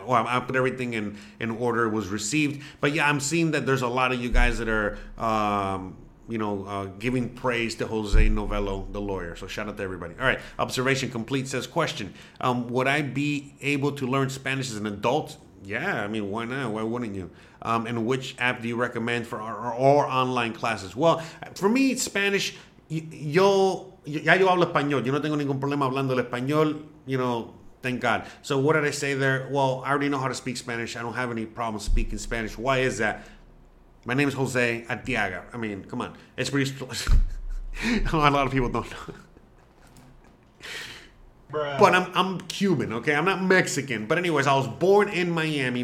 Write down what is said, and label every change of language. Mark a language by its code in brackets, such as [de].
[en] Oh, I put everything in order, was received. But yeah, I'm seeing that there's a lot of you guys that are, you know, giving praise to Jose Novello, the lawyer. So shout out to everybody. All right. Observation complete says, question, would I be able to learn Spanish as an adult? Yeah. I mean, why not? Why wouldn't you? And which app do you recommend for our online classes? Well, for me, Spanish, [es] yo hablo español. Yo no tengo ningún problema hablando el español, [en] you know, thank God. So what did I say there? Well, I already know how to speak Spanish. I don't have any problem speaking Spanish. Why is that? My name is Jose Arteaga. I mean, come on. It's pretty... a lot of people don't know. But I'm Cuban, okay? I'm not Mexican. But anyways, I was born in Miami.